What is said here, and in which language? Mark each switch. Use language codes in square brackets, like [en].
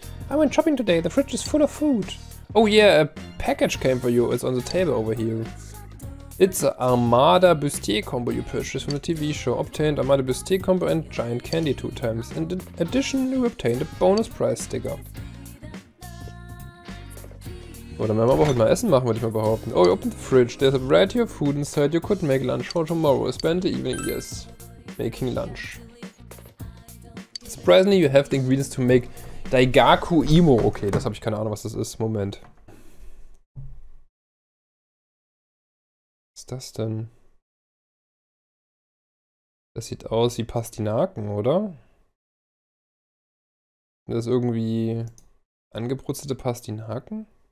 [en] I went shopping today. The fridge is full of food. Oh yeah, a package came for you. It's on the table over here. It's an Armada Bustier combo you purchased from the TV show. Obtained Armada Bustier combo and Giant Candy 2 times. In addition, you obtained a bonus prize sticker. [de] Oh, dann werden wir aber heute mal Essen machen, würde ich mal behaupten. [en] Oh, you opened the fridge. There's a variety of food inside. You could make lunch for tomorrow. Spend the evening, yes. Making lunch. Surprisingly, you have the ingredients to make Daigaku Imo. [de] Okay, das habe ich keine Ahnung, was das ist. Moment. Was ist das denn? Das sieht aus wie Pastinaken, oder? Das ist irgendwie angebrutzelte Pastinaken?